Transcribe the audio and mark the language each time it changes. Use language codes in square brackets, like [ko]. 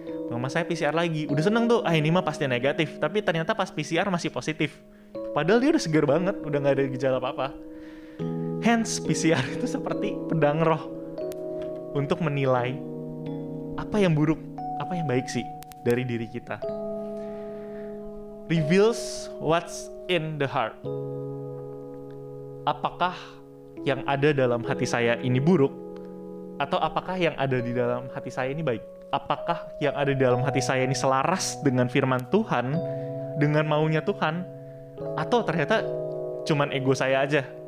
[id] Mama saya PCR lagi, udah seneng tuh, ah ini mah pasti negatif. Tapi ternyata pas PCR masih positif, padahal dia udah seger banget, udah gak ada gejala apa-apa. Hence PCR itu seperti pedang roh untuk menilai apa yang buruk, apa yang baik sih dari diri kita. [en] Reveals what's in the heart. [id] Apakah yang ada dalam hati saya ini buruk, atau apakah yang ada di dalam hati saya ini baik? Apakah yang ada di dalam hati saya ini selaras dengan firman Tuhan, dengan maunya Tuhan, atau ternyata cuman ego saya aja?